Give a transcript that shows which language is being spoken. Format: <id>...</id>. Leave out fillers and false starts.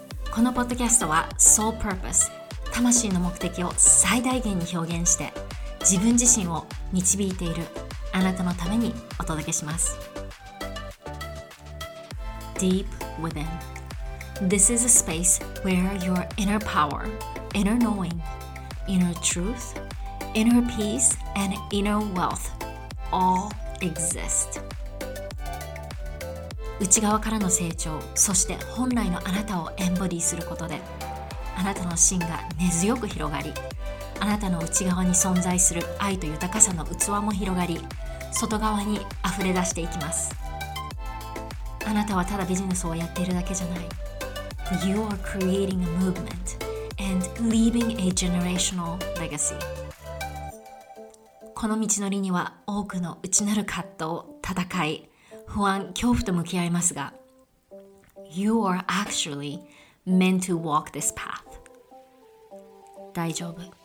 <ja>このポッドキャストは Soul Purpose、魂の目的を最大限に表現して、自分自身を導いているあなたのためにお届けします。</ja> <en>Deep Within. This is a space where your inner power, inner knowing, inner truth, inner peace, and inner wealthAll exist.</en> <ja>内側からの成長、そして本来のあなたをエンボディすることで、あなたの芯が根強く広がり、あなたの内側に存在する愛と豊かさの器も広がり、外側に溢れ出していきます。あなたはただビジネスをやっているだけじゃない。</ja> <en>You are creating a movement and leaving a generational legacy.</en> <ja>この道のりには多くの内なる葛藤、戦い、不安、恐怖と向き合いますが、</ja> <en>You are actually meant to walk this path.</en> <ja>大丈夫。</ja>